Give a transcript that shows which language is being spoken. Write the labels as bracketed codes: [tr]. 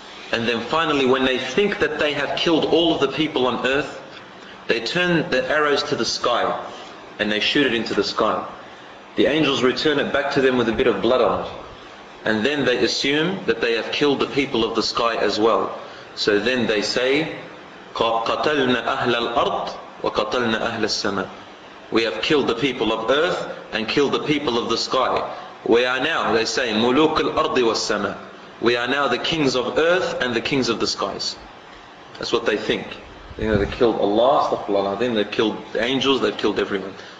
[en] And then finally, when they think that they have killed all of the people on earth, they turn their arrows to the sky and they shoot it into the sky. The angels return it back to them with a bit of blood on it. And then they assume that they have killed the people of the sky as well. So then they say, [ar] قَتَلْنَا أَهْلَ الْأَرْضِ وَقَتَلْنَا أَهْلَ السَّمَاءِ. [en] We have killed the people of earth and killed the people of the sky. We are now, they say, [ar] مُلُوكَ الْأَرْضِ وَالسَّمَاءِ. [en] We are now the kings of earth and the kings of the skies. That's what they think. You know, they killed Allah, they've killed angels, they've killed everyone.